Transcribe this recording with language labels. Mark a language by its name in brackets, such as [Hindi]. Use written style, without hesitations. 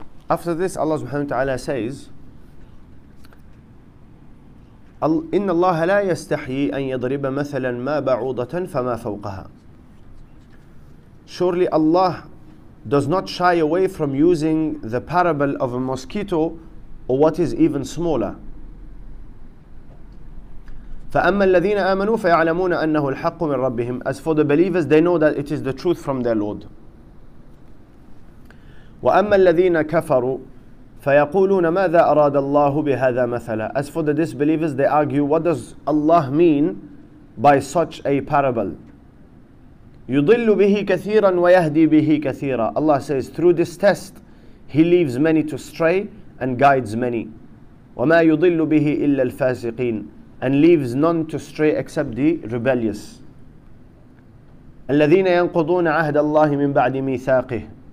[English] After this, Allah subhanahu wa ta'ala says, [Arabic] إِنَّ اللَّهَ لَا يَسْتَحْيِي أَن يَضْرِبَ مَثَلًا مَا بَعُوضَةً فَمَا فَوْقَهَا. [English] Surely Allah does not shy away from using the parable of a mosquito or what is even smaller. [Arabic] فَأَمَّا الَّذِينَ آمَنُوا فَيَعْلَمُونَ أَنَّهُ الْحَقُّ مِنْ رَبِّهِمْ. [English] As for the believers, they know that it is the truth from their Lord. [Arabic] وَأَمَّا الَّذِينَ كَفَرُوا فَيَقُولُونَ مَاذَا أَرَادَ اللَّهُ بِهَذَا مَثَلًا. [English] As for the disbelievers, they argue, what does Allah mean by such a parable? [Arabic] يُضِلُّ بِهِ كَثِيرًا وَيَهْدِي بِهِ كَثِيرًا. [English] Allah says, through this test, He leaves many to stray and guides many. [Arabic] وَمَا يُضِلُّ بِهِ إِلَّا الْفَاسِقِينَ. [English] And leaves none to stray except the rebellious. [Arabic] الَّذِينَ يَنْقُضُونَ عَهْدَ اللَّهِ مِنْ بَعْدِ مِيثَاقِهِ.